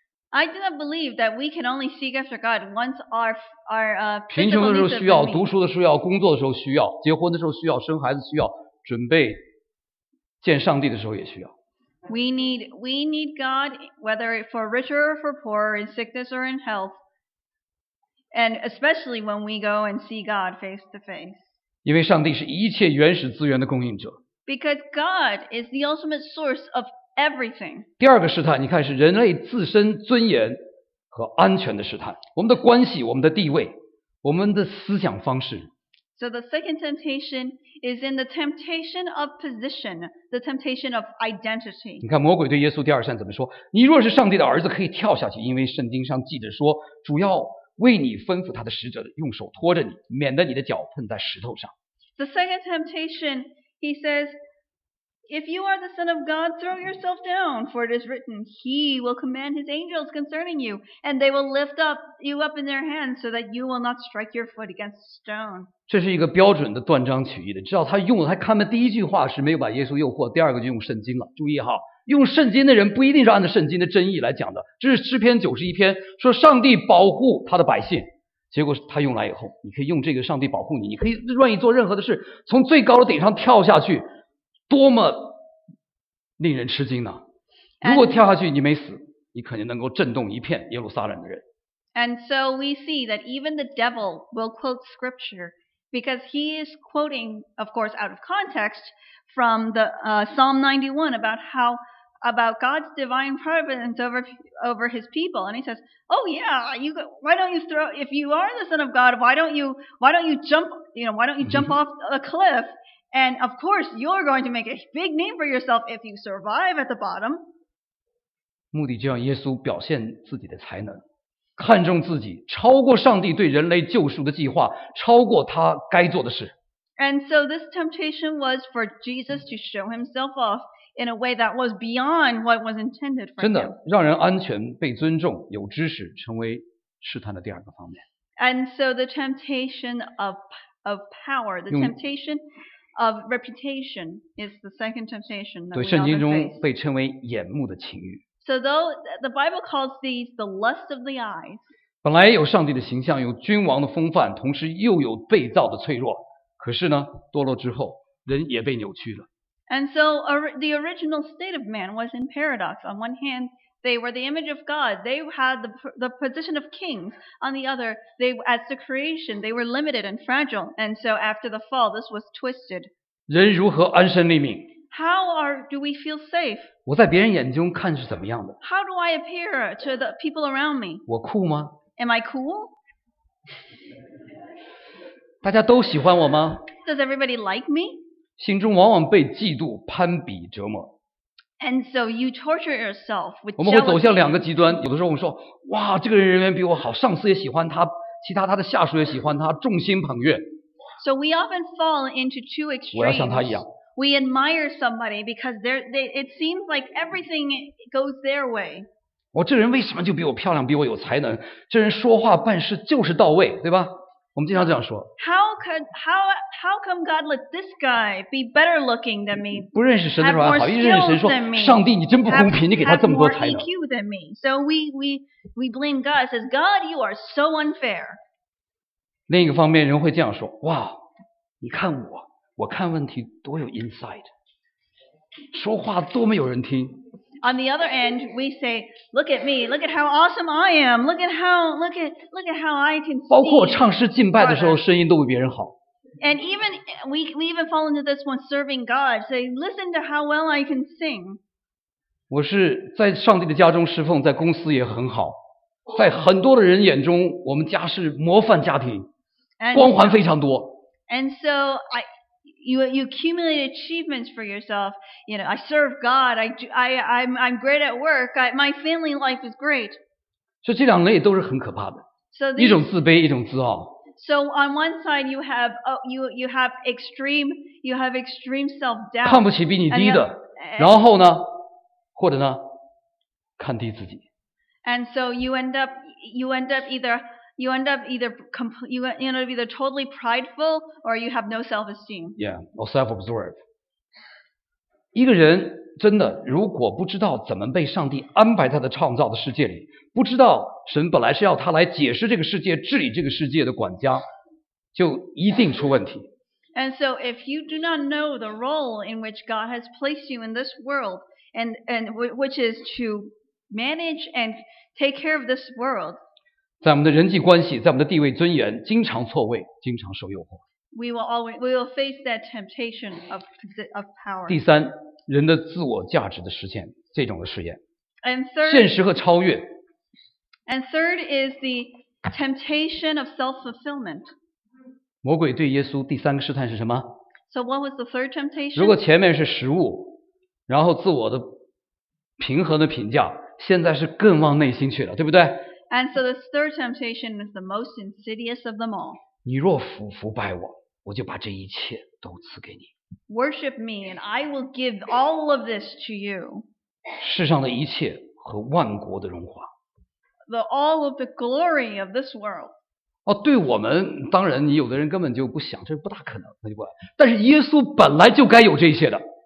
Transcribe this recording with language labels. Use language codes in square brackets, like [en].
[en] I do not believe that we can only seek after God once our [zh] 贫穷的时候需要，读书的时候要，工作的时候需要，结婚的时候需要，生孩子需要，准备见上帝的时候也需要。 [en] We need God, whether for richer or for poorer, in sickness or in health, and especially when we go and see God face to face. [zh] 因为上帝是一切原始资源的供应者。 [en] Because God is the ultimate source of everything. [zh] 第二个试探，你看是人类自身尊严和安全的试探。我们的关系，我们的地位，我们的思想方式。 [en] So the second temptation is in the temptation of position, the temptation of identity. [zh] 你看魔鬼对耶稣第二扇怎么说？你若是上帝的儿子，可以跳下去，因为圣经上记着说，主要为你吩咐他的使者用手托着你，免得你的脚碰在石头上。 [en] The second temptation, he says, if you are the son of God, throw yourself down, for it is written, he will command his angels concerning you, and they will lift up you up in their hands so that you will not strike your foot against stone. [zh] 这是一个标准的断章取义的，至少他用了，他看的第一句话是没有把耶稣诱惑，第二个就用圣经了。注意哈，用圣经的人不一定是按照圣经的真意来讲的。这是诗篇九十一篇，说上帝保护他的百姓，结果他用来以后，你可以用这个上帝保护你，你可以愿意做任何的事，从最高的顶上跳下去，多么令人吃惊呢？如果跳下去你没死，你肯定能够震动一片耶路撒冷的人。 [en] And so we see that even the devil will quote scripture, because he is quoting, of course, out of context from the Psalm 91 about God's divine providence over his people. And he says, oh yeah, if you are the son of God, why don't you jump off a cliff? And of course, you're going to make a big name for yourself if you survive at the bottom. [zh] 目的就让耶稣表现自己的才能，看重自己，超过上帝对人类救赎的计划，超过他该做的事。 [en] And so this temptation was for Jesus to show himself off in a way that was beyond what was intended for him. [zh] 真的，让人安全、被尊重、有知识，成为试探的第二个方面。 [en] And so the temptation of power, the temptation of reputation is the second temptation that we often face. [zh] 对，圣经中被称为眼目的情欲。 [en] So though the Bible calls these the lust of the eyes. [zh] 本来有上帝的形象，有君王的风范，同时又有被造的脆弱。可是呢，堕落之后，人也被扭曲了。 [en] And so the original state of man was in paradox. On one hand, they were the image of God. They had the position of kings. On the other, they, as the creation, they were limited and fragile. And so after the fall, this was twisted. [zh] 人如何安身立命？ [en] How do we feel safe? [zh] 我在别人眼中看是怎么样的？ [en] How do I appear to the people around me? [zh] 我酷吗？ [en] Am I cool? [zh] 大家都喜欢我吗？ [en] Does everybody like me? [zh] 心中往往被嫉妒、攀比折磨。 [en] And so you torture yourself with jealousy. [zh] 我们会走向两个极端，有的时候我们说，哇，这个人人缘比我好，上司也喜欢他，其他他的下属也喜欢他，众星捧月。 [en] So we often fall into two extremes. [zh] 我要像他一样。 [en] We admire somebody because it seems like everything goes their way. [zh] 我这人为什么就比我漂亮，比我有才能？这人说话办事就是到位，对吧？我们经常这样说。 [en] How come God let this guy be better looking than me? [zh] 不认识神的时候还好，一认识神说，上帝你真不公平，你给他这么多才能。 [en] Have more EQ than me, so we blame God. Says God, you are so unfair. [zh] 另一个方面，人会这样说：哇，你看我，我看问题多有 insight， 说话多么有人听。 [en] On the other end, we say, look at me, look at how awesome I am, look at how I can see. [zh] 包括唱诗敬拜的时候声音都比别人好。 [en] And even, we even fall into this one, serving God, say, listen to how well I can sing. [zh] 我是在上帝的家中侍奉，在公司也很好。在很多的人眼中，我们家是模范家庭，光环非常多。 [en] And so you accumulate achievements for yourself. You know, I serve God. I'm great at work. My family life is great. [zh] 所以这两类都是很可怕的。 [en] So、these, [zh] 一种自卑，一种自傲。 [en] So on one side you have、oh, you have extreme you have extreme self doubt. [zh] 看不起比你低的，然后呢，或者呢，看低自己。 [en] And so you end up either totally prideful or you have no self esteem. Yeah, or self absorbed. [zh] 一个人真的如果不知道怎么被上帝安排他的创造的世界里，不知道神本来是要他来解释这个世界、治理这个世界的管家，就一定出问题。 [en] And so if you do not know the role in which God has placed you in this world, and which is to manage and take care of this world, [zh] 在我们的人际关系、在我们的地位尊严，经常错位，经常受诱惑。 [en] We will face that temptation of power. [zh] 第三，人的自我价值的实现，这种的试验。 [en] And third, [zh] 现实和超越。 [en] And third is the temptation of self-fulfillment. [zh] 魔鬼对耶稣第三个试探是什么？ [en] So what was the third temptation? [zh] 如果前面是食物，然后自我的平和的评价，现在是更往内心去了，对不对？ [en] And so the third temptation is the most insidious of them all. [zh] 你若服拜我，我就把这一切都赐给你。 [en] Worship me, and I will give all of this to you. [zh] 世上的一切和万国的荣华。 [en] The all of the glory of this world. [zh] 哦，对我们，当然，你有的人根本就不想，这不大可能，那就不。但是耶稣本来就该有这些的。